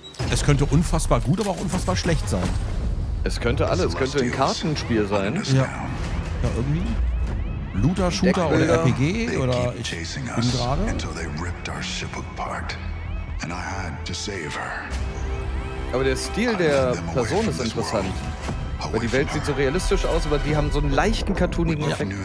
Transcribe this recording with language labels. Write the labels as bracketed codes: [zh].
[de] Es könnte unfassbar gut, aber auch unfassbar schlecht sein. Es könnte alles. Es könnte ein Kartenspiel sein. Ja, irgendwie. Looter, Shooter oder RPG oder ich bin gerade. [en] Until they ripped our ship apart, and I had to save her. [de] Aber der Stil der Person ist interessant. Weil die Welt sieht so realistisch aus, aber die haben so einen leichten, cartoonigen Effekt.